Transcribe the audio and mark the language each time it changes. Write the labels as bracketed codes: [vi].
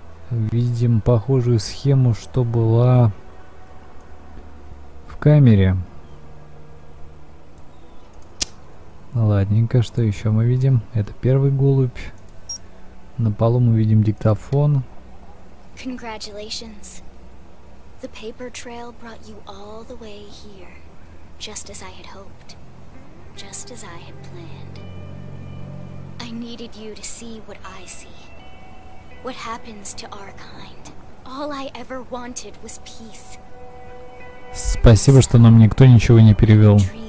[ru] Видим похожую схему, что была камере. Ладненько, что еще мы видим? Это первый голубь. На полу мы видим диктофон. [en] Congratulations. The paper trail brought you all the way here, just as I had hoped, just as I had planned. I needed you to see what I see, what happens to our kind. All I ever wanted was peace. [ru] Спасибо, что нам никто ничего не перевел.